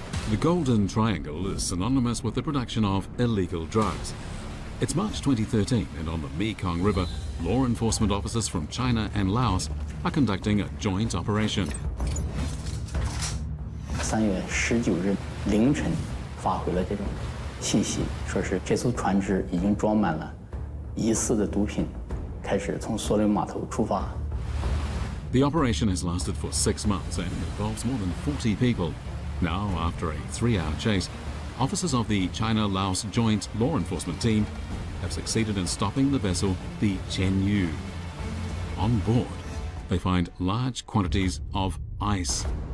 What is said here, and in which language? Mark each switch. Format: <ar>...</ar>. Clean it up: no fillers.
<en>The Golden Triangle is synonymous with the production of illegal drugs. It's March 2013, and on the Mekong River, law enforcement officers from China and Laos are conducting a joint operation.</en> <zh>3月19日凌晨, 发回了这种信息, 说是这艘船只已经装满了疑似的毒品, 开始从索林码头出发。</zh> <en>The operation has lasted for 6 months and involves more than 40 people. Now, after a three-hour chase, officers of the China-Laos Joint Law Enforcement Team have succeeded in stopping the vessel, the Chenyu. On board, they find large quantities of ice.</en>